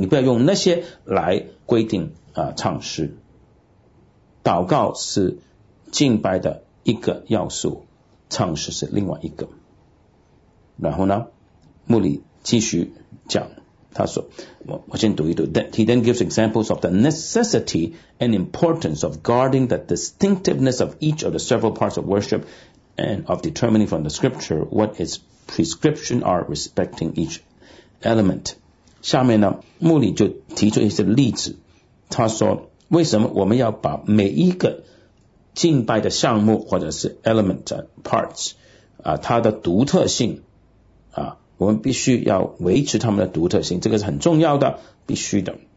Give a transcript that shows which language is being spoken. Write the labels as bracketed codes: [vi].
[zh] 你不要用那些来规定唱诗。祷告是敬拜的一个要素，唱诗是另外一个。然后呢穆里继续讲，他说 我先读一读。 [en] He then gives examples of the necessity and importance of guarding the distinctiveness of each of the several parts of worship and of determining from the scripture what its prescription are respecting each element。 [zh] 下面呢穆里就提出一些例子，他说为什么我们要把每一个敬拜的项目或者是 [en] element parts [zh] 它的独特性我们必须要维持他们的独特性，这个是很重要的，必须的。